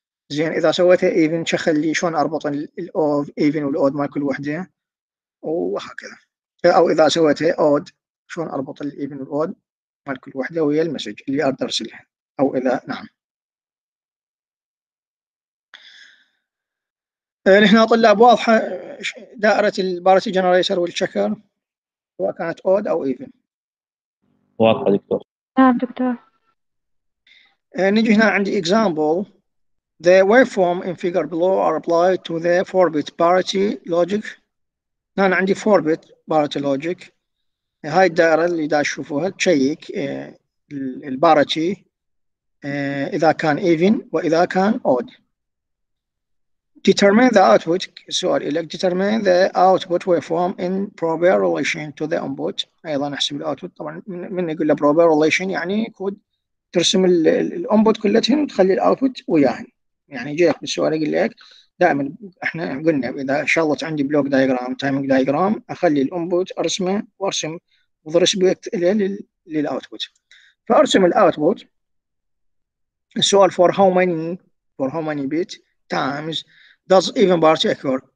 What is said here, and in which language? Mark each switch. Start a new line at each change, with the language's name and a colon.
Arabic: زين اذا سويتها ايفن شخلي شلون اربط الاود ايفن والاود مال كل وحده وهكذا، او اذا سويتها اود شلون اربط الايفن والاود مال كل وحده ويا المسج اللي اريد ارسلها، او اذا نعم هنا طلاب واضحه دائره البارتي جنريتر والشكر سواء كانت اود او ايفن. واضحه دكتور. نعم دكتور. نجي هنا عندي example.
English: The waveform in figure below are applied to the 4-bit parity logic.
Arabic: أنا عندي 4-bit parity logic. هاي الدائرة اللي دا شوفوها تشيك البارتي إذا كان even وإذا كان odd.
English: Determine the output.
Arabic: سؤال إليك.
English: Determine the output waveform in proper relation to the input.
Arabic: أيضا نحسب الoutput. طبعا من يقول له proper relation يعني كود ترسم الانبوت كلتهم وتخلي الاوتبوت وياهن. يعني جايك بالسؤال يقول لك دائما احنا قلنا اذا شغلت عندي بلوك دايجرام تايمينج دايجرام اخلي الانبوت ارسمه وارسم وضربت له للاوتبوت، فارسم الاوتبوت.
English: السؤال for how many bit times does even parity occur.